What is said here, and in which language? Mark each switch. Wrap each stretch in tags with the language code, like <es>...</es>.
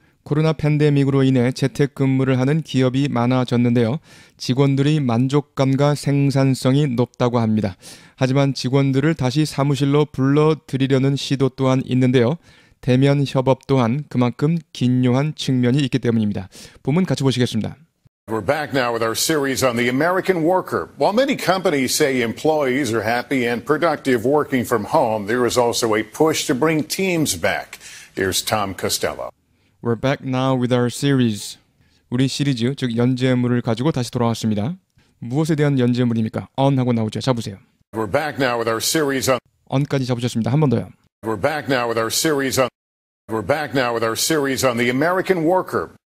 <ko>코로나 팬데믹으로 인해 재택근무를 하는 기업이 많아졌는데요. 직원들이 만족감과 생산성이 높다고 합니다. 하지만 직원들을 다시 사무실로 불러들이려는 시도 또한 있는데요. 대면 협업 또한 그만큼 긴요한 측면이 있기 때문입니다. 본문 같이 보시겠습니다.</ko> <en>We're back now with our series on the American worker. While many companies say employees are happy and productive working from home, there is also a push to bring teams back. Here's Tom Costello. We're back now with our series.</en> <ko>우리 시리즈, 즉 연재물을 가지고 다시 돌아왔습니다. 무엇에 대한 연재물입니까? On 하고 나오죠. 잡으세요.</ko> <en>We're back now with our series on...</en> <ko>On까지 잡으셨습니다. 한 번 더요.</ko> <en>We're back now with our series on... We're back now with our series on the American worker.</en>